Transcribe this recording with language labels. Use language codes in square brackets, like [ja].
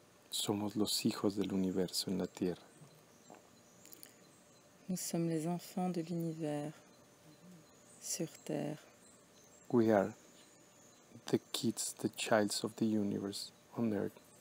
[es] Somos los hijos del universo en la Tierra. [fr] Nous sommes les enfants de l'univers sur Terre. [en] We are the kids, the child of the universe on Earth.